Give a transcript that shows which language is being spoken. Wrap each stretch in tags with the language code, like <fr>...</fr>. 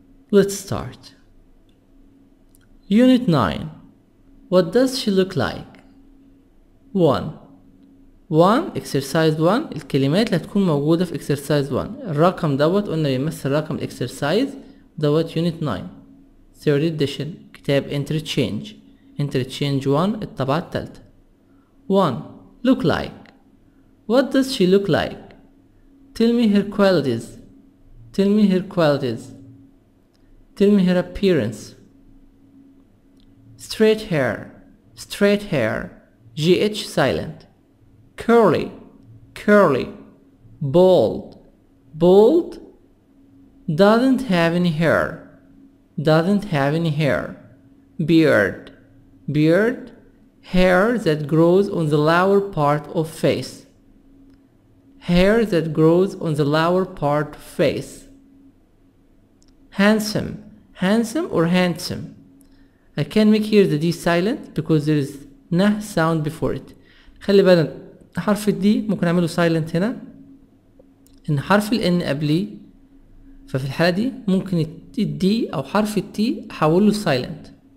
<en>Let's start. Unit 9. What does she look like? 1. 1 exercise 1.</en> <ar>الكلمات اللي هتكون موجودة في exercise 1. الرقم دوت قلنا بيمثل رقم exercise دوت unit 9.</ar> <en>Third edition كتاب Interchange.</en> <ar>Interchange 1 الطبعة التالتة.</ar> <en>1. Look like. What does she look like? Tell me her qualities. Tell me her qualities. Tell me her appearance. Straight hair. Straight hair. GH silent. Curly. Curly. Bald. Bald. Doesn't have any hair. Doesn't have any hair. Beard. Beard. Hair that grows on the lower part of face. Hair that grows on the lower part of face. Handsome. Handsome or handsome. I can make here the D silent because there is na sound before it.</en> <ar>خلي بالك حرف D ممكن نعمله silent هنا. إن حرف ال N قبليه ففي الحالة دي ممكن ال D أو حرف ال T أحوله silent.</ar>